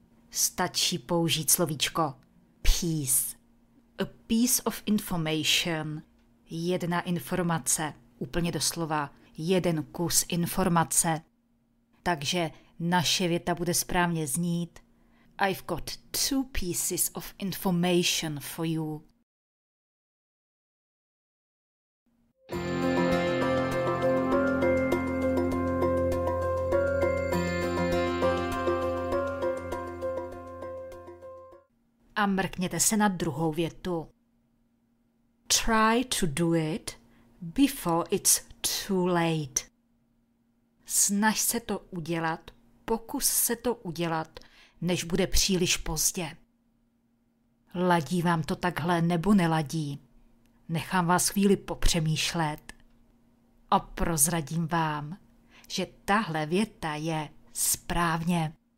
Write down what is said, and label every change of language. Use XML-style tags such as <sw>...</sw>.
<cs>Stačí použít slovíčko piece.</cs> <en>A piece of information.</en> <cs>Jedna informace, úplně doslova, jeden kus informace. Takže naše věta bude správně znít.</cs> <en>I've got two pieces of information for you.</en> <cs>A mrkněte se na druhou větu.</cs> <en>Try to do it before it's too late.</en> <cs>Snaž se to udělat, pokus se to udělat, než bude příliš pozdě. Ladí vám to takhle nebo neladí? Nechám vás chvíli popřemýšlet. A prozradím vám, že tahle věta je správně.</cs>